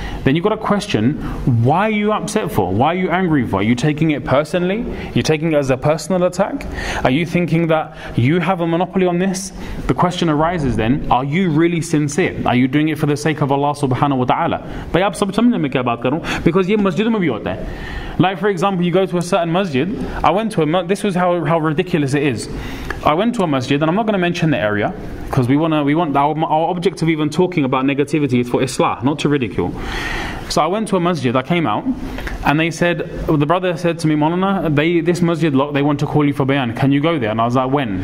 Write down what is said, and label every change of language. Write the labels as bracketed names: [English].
[English] Then you've got to question, why are you upset for? Why are you angry for? Are you taking it personally? You're taking it as a personal attack? Are you thinking that you have a monopoly on this? The question arises then, are you really sincere? Are you doing it for the sake of Allah subhanahu wa ta'ala? Because [Urdu] یہ مسجد میں بھی ہوتا ہے۔ [English] Like for example, you go to a certain masjid. This is how ridiculous it is. I went to a masjid, and I'm not going to mention the area, because we want our object of even talking about negativity is for islah, not to ridicule. So I went to a masjid, I came out, and the brother said to me, Maulana, this masjid, they want to call you for bayan, can you go there? And I was like, when?